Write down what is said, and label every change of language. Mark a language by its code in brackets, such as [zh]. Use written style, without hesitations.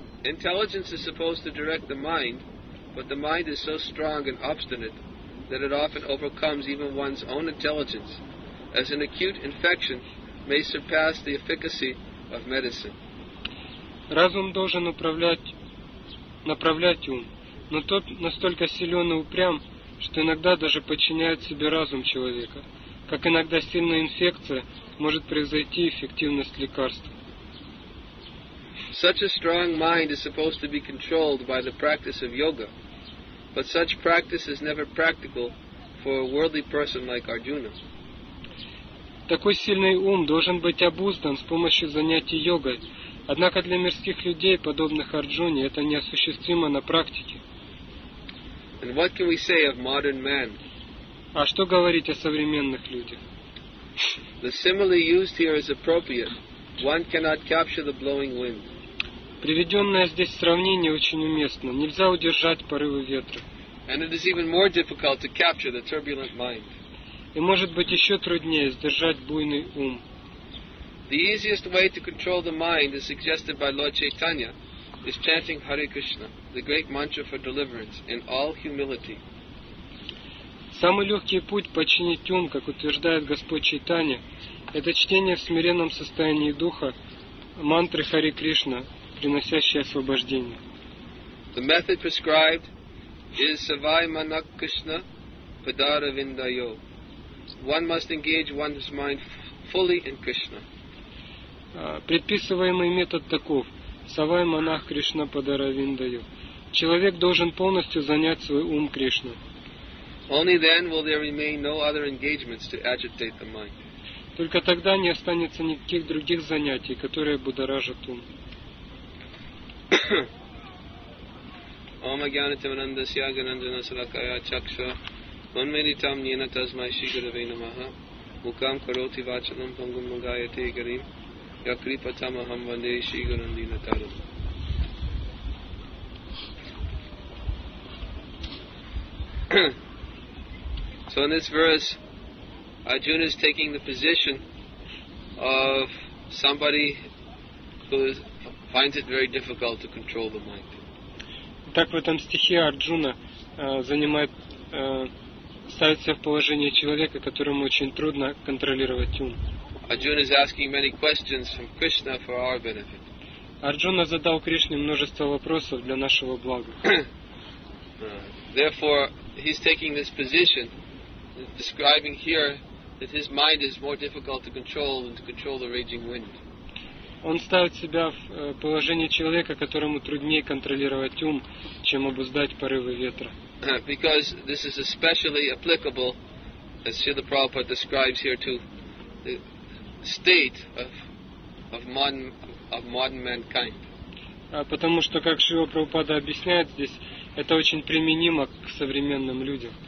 [en] Intelligence is supposed to direct the mind, but the mind is so strong and obstinate that it often overcomes even one's own intelligence, as an acute infection may surpass the efficacy of medicine. [ru] Разум должен направлять ум, но тот настолько силен и упрям, что иногда даже подчиняет себе разум человека, как иногда сильная инфекция может превзойти эффективность лекарства. [en] Such a strong mind is supposed to be controlled by the practice of yoga, but such practice is never practical for a worldly person like Arjuna. [ru] Такой сильный ум должен быть обуздан с помощью занятий йогой. Однако для мирских людей, подобных Арджуне, это неосуществимо на практике. [en] And what can we say of modern man? [ru] А что говорить о современных людях? [en] The simile used here is appropriate. One cannot capture the blowing wind. [ru] Приведенное здесь сравнение очень уместно. Нельзя удержать порывы ветра. [en] And it is even more difficult to capture the turbulent mind. [ru] И может быть еще труднее сдержать буйный ум. [en] The easiest way to control the mind, as suggested by Lord Chaitanya, is chanting Hare Krishna, the great mantra for deliverance, in all humility. [ru] Самый легкий путь подчинить ум, как утверждает Господь Чайтанья, это чтение в смиренном состоянии духа мантры Хари Кришна, приносящей освобождение. [en] The method prescribed is [sa] Savai Manak Krishna Padara Vindayo. [en] One must engage one's mind fully in Krishna. [ru] Предписываемый метод таков. [sa] Савай Манах Кришна Падара Виндайо. [ru] Человек должен полностью занять свой ум Кришной. [en] Only then will there remain no other engagements to agitate the mind. [ru] Только тогда не останется никаких других занятий, которые будоражат ум. [sa] Ом агьянатам анандасья агьянанджана салакая чакша ванмеритам нина тазмай шри гуравей намаха мукам кароти вачанам пангум мугаяте гарим якрипатам ахам ванде шри гуравандина тарам. [en] So in this verse, Arjuna is taking the position of somebody who finds it very difficult to control the mind. [ru] Так в этом стихе Арджуна занимает, ставится в положение человека, которому очень трудно контролировать ум. [en] Arjuna is asking many questions from Krishna for our benefit. [ru] Арджуна задал Кришне множество вопросов для нашего блага. [en] Therefore, he's taking this position, describing here that his mind is more difficult to control than to control the raging wind. [ru] Он ставит себя в положение человека, которому труднее контролировать ум, чем обуздать порывы ветра. [en] Because this is especially applicable, as Srila Prabhupada describes here, to the state of modern mankind. [ru] Потому что, как Шрила Прабхупада объясняет здесь, это очень применимо к современным людям.